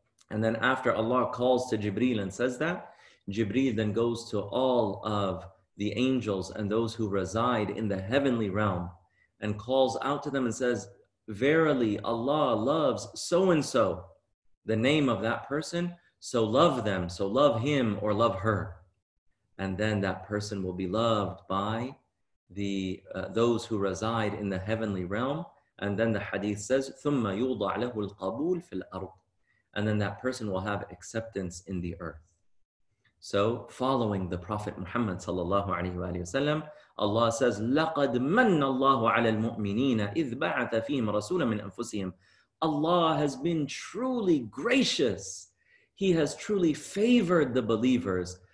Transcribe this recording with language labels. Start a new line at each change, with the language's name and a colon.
English: And then after Allah calls to Jibreel and says that, Jibreel then goes to all of the angels and those who reside in the heavenly realm and calls out to them and says, verily Allah loves so-and-so, the name of that person, so love them, so love him or love her. And then that person will be loved by the those who reside in the heavenly realm. And then the hadith says,
Arabic: ثُمَّ يُوضَعْ لَهُ الْقَبُولُ فِي الْأَرْضِ.
English: And then that person will have acceptance in the earth. So following the Prophet Muhammad sallallahu alayhi wa sallam, Allah says,
Arabic: لَقَدْ مَنَّ اللَّهُ عَلَى الْمُؤْمِنِينَ إِذْ بَعَثَ فِيهِمْ رَسُولًا مِنْ أَنفُسِهِمْ.
English: Allah has been truly gracious. He has truly favored the believers.